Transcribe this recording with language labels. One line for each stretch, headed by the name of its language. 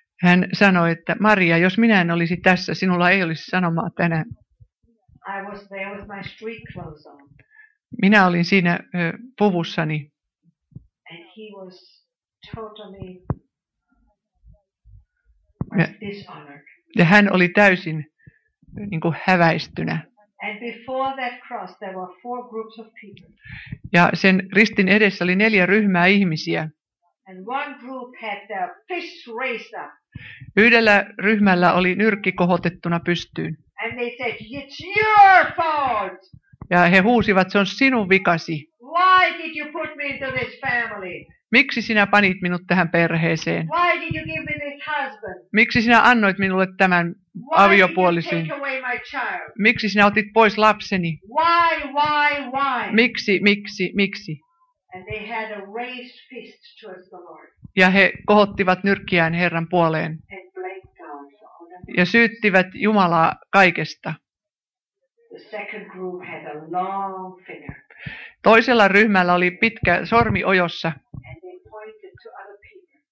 Finnish: Hän sanoi, että Maria, jos minä en olisi tässä, sinulla ei olisi sanomaa tänään.
English: I was there with my street clothes on.
Finnish: Minä olin siinä puvussani.
English: And he was totally dishonored.
Finnish: Ja hän oli täysin niin kuin häväistynä.
English: And before that cross, there were four groups of people.
Finnish: Ja sen ristin edessä oli neljä ryhmää ihmisiä.
English: And one group had their fists raised up.
Finnish: Yhdellä ryhmällä oli nyrkki kohotettuna pystyyn.
English: And they said, it's your fault.
Finnish: Ja he huusivat, se on sinun vikasi.
English: Why did you put me into this family?
Finnish: Miksi sinä panit minut tähän perheeseen?
English: Why did you give me this husband?
Finnish: Miksi sinä annoit minulle tämän aviopuolisen? Miksi sinä otit pois lapseni?
English: Why?
Finnish: Miksi?
English: And they had a raised fist towards the Lord.
Finnish: Ja he kohottivat nyrkkiään Herran puoleen.
English: And blamed God for all that.
Finnish: Ja syyttivät Jumalaa kaikesta.
English: The second group had a long finger.
Finnish: Toisella ryhmällä oli pitkä sormi ojossa.
English: And they pointed to other people.